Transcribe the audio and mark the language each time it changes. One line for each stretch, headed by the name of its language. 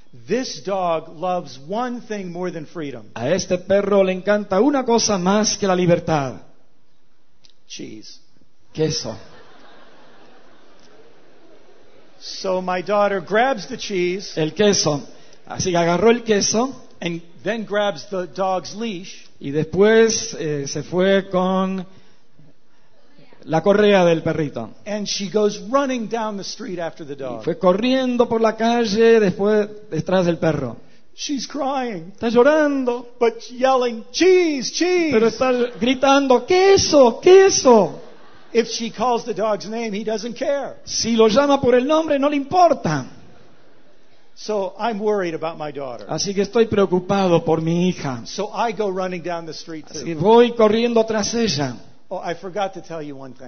English: This dog loves one thing more than freedom.
Spanish: A este perro le encanta una cosa más que la libertad.
English: Cheese.
Spanish: Queso.
English: So my daughter grabs the cheese.
Spanish: El queso. Así que agarró el queso.
English: And then grabs the dog's leash.
Spanish: Y después se fue con la correa del perrito.
English: And she goes running down the street after the dog.
Spanish: Y fue corriendo por la calle después detrás del perro.
English: She's crying.
Spanish: Está llorando.
English: But yelling, cheese, cheese.
Spanish: Pero está gritando, queso, queso.
English: If she calls the dog's name, he doesn't care.
Spanish: Si lo llama por el nombre, no le importa.
English: So I'm worried about my daughter.
Spanish: Así que estoy preocupado por mi hija.
English: So I go running down the street too.
Spanish: Así que voy corriendo tras ella.
English: Oh, I forgot to tell you one thing.